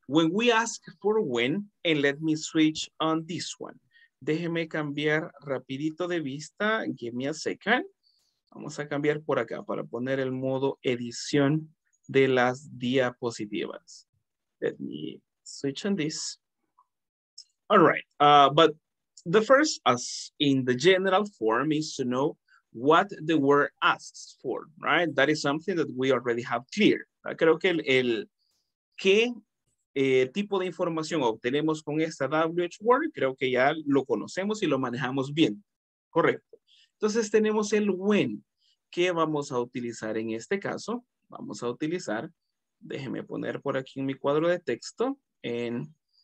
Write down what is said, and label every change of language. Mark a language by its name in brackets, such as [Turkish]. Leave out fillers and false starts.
[English] When we ask for when, and let me switch on this one. [Spanish] Déjeme cambiar rapidito de vista. [English] Give me a second. [Spanish] Vamos a cambiar por acá para poner el modo edición de las diapositivas. [English] Let me switch on this. All right. But the first, as in the general form, is to know what the word asks for, right? That is something that we already have clear. [Spanish] Creo que qué tipo de información obtenemos con esta WH word, creo que ya lo conocemos y lo manejamos bien. Correcto. Entonces tenemos el when. ¿Qué vamos a utilizar en este caso? Vamos a utilizar, déjeme poner por aquí en mi cuadro de texto, en...